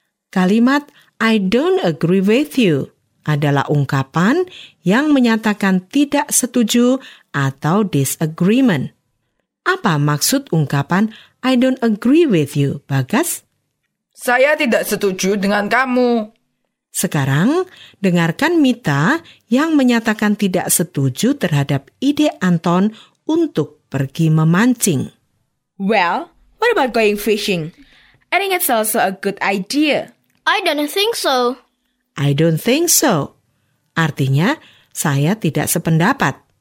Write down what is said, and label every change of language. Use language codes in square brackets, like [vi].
[id] Kalimat [en] "I don't agree with you" [id] adalah ungkapan yang menyatakan tidak setuju atau disagreement. Apa maksud ungkapan [en] "I don't agree with you", [id] Bagas? "Saya tidak setuju dengan kamu." Sekarang, dengarkan Mita yang menyatakan tidak setuju terhadap ide Anton untuk pergi memancing. [en] "Well, what about going fishing? I think it's also a good idea." "I don't think so." "I don't think so." [id] Artinya, saya tidak sependapat.